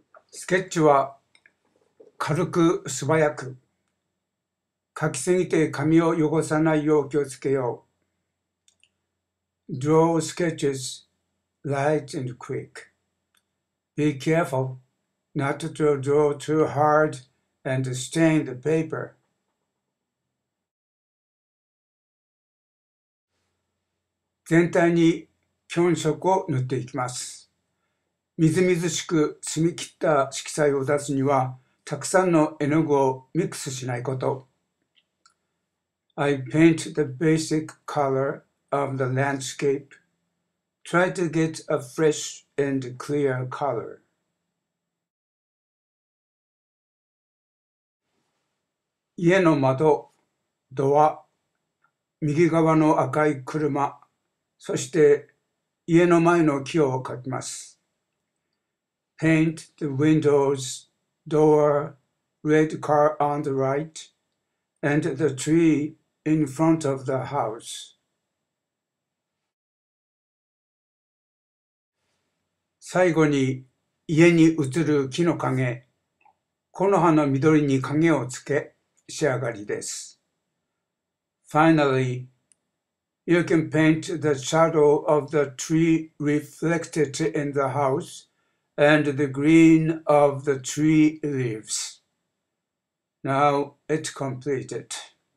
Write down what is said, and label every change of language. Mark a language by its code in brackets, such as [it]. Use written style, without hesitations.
[ja] スケッチは軽く素早く。書きすぎて紙を汚さないよう気をつけよう。 [en] Draw sketches light and quick. Be careful not to draw too hard and stain the paper. [ja] 全体に強色を塗っていきます。みずみずしく澄み切った色彩を出すには、たくさんの絵の具をミックスしないこと。 [en] I paint the basic color of the landscape. Try to get a fresh and clear color. [ja] 家の窓、ドア、右側の赤い車、そして家の前の木を描きます。 [en] Paint the windows, door, red car on the right, and the tree in front of the house. [ja] 最後に家に映る木の影、木の葉の緑に影をつけ、仕上がりです。 [en] Finally, you can paint the shadow of the tree reflected in the house. And the green of the tree leaves. Now it's completed.